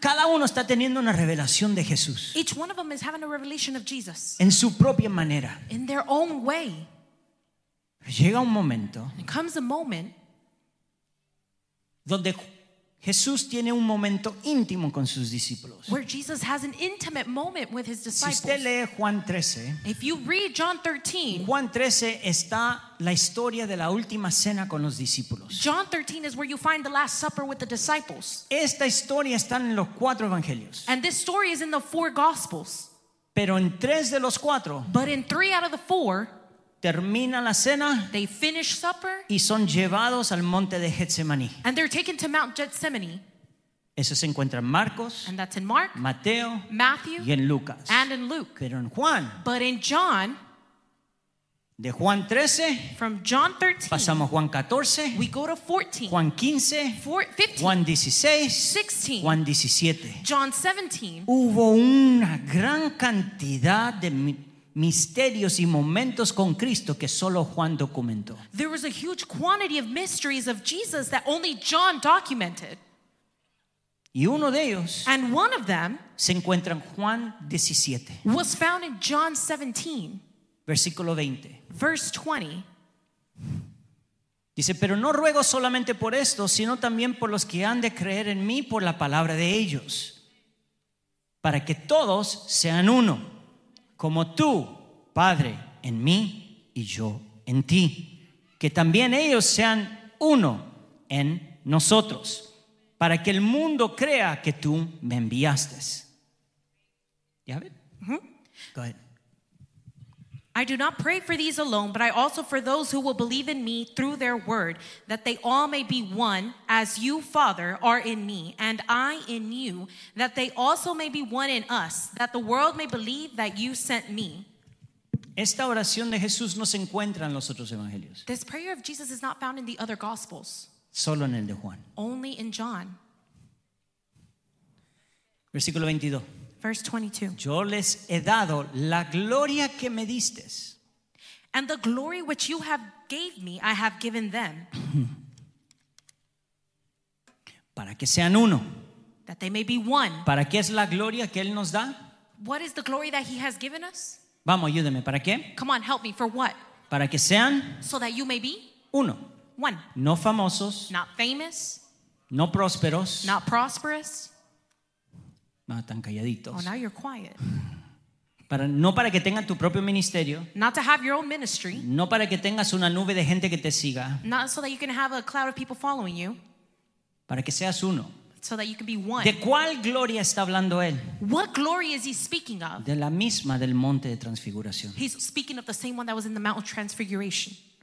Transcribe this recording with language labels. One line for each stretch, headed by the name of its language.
Spanish: Cada uno está teniendo una revelación de Jesús.
English: Each one of them is having a revelation of Jesus.
Spanish: En su propia manera.
English: In their own way.
Spanish: Llega un momento.
English: It comes a moment.
Spanish: Donde Jesús tiene un momento íntimo con sus discípulos.
English: Where Jesus has an intimate moment with his disciples.
Spanish: Si usted lee Juan 13.
English: If you read John 13.
Spanish: Juan 13 está la historia de la última cena con los discípulos.
English: John 13 is where you find the last supper with the disciples.
Spanish: Esta historia está en los cuatro evangelios.
English: And this story is in the four gospels.
Spanish: Pero en tres de los cuatro.
English: But in three out of the four.
Spanish: Termina la cena.
English: They finish supper.
Spanish: Y son llevados al monte de Getsemaní.
English: And they're taken to Mount Gethsemane.
Spanish: Eso se encuentra en Marcos.
English: And that's in Mark.
Spanish: Mateo.
English: Matthew.
Spanish: Y en Lucas.
English: And in Luke.
Spanish: Pero en Juan.
English: But in John.
Spanish: De Juan 13.
English: From John 13.
Spanish: Pasamos Juan 14.
English: We go to 14.
Spanish: Juan 15.
English: 15.
Spanish: Juan 16.
English: 16.
Spanish: Juan 17.
English: John 17.
Spanish: Hubo una gran cantidad de misterios y momentos con Cristo que solo Juan documentó.
English: There was a huge quantity of mysteries of Jesus that only John documented.
Spanish: Y uno de ellos,
English: and one of them,
Spanish: se encuentra en Juan 17.
English: Was found in John 17.
Spanish: Versículo 20.
English: Verse 20.
Spanish: Dice, pero no ruego solamente por esto, sino también por los que han de creer en mí por la palabra de ellos, para que todos sean uno. Como tú, Padre, en mí y yo en ti. Que también ellos sean uno en nosotros. Para que el mundo crea que tú me enviaste. ¿Ya ven? Mm-hmm.
English: Go ahead. I do not pray for these alone, but I also for those who will believe in me through their word, that they all may be one, as you, Father, are in me, and I in you, that they also may be one in us, that the world may believe that you sent me.
Spanish: Esta oración de Jesús no se encuentra en los otros evangelios.
English: This prayer of Jesus is not found in the other gospels.
Spanish: Solo en el de Juan.
English: Only in John.
Spanish: Versículo 22.
English: Verse 22.
Spanish: Yo les he dado la gloria que me distes.
English: And the glory which you have gave me, I have given them.
Spanish: Para que sean uno.
English: That they may be one.
Spanish: ¿Para qué es la gloria que él nos da?
English: What is the glory that he has given us?
Spanish: Vamos, ayúdeme, ¿para qué?
English: Come on, help me, for what?
Spanish: Para que sean.
English: So that you may be.
Spanish: Uno.
English: One.
Spanish: No famosos.
English: Not famous.
Spanish: No prósperos.
English: Not prosperous.
Spanish: No, están calladitos.
English: Oh, now you're quiet.
Spanish: Para, no para que tengas tu propio ministerio.
English: Not to have your own ministry.
Spanish: No para que tengas una nube de gente que te siga.
English: Not so that you can have a cloud of people following you.
Spanish: Para que seas uno.
English: So that you can be one.
Spanish: ¿De cuál gloria está hablando él?
English: What glory is he speaking of?
Spanish: De la misma del monte de transfiguración.
English: He's speaking of the same one that was in the Mount of Transfiguration.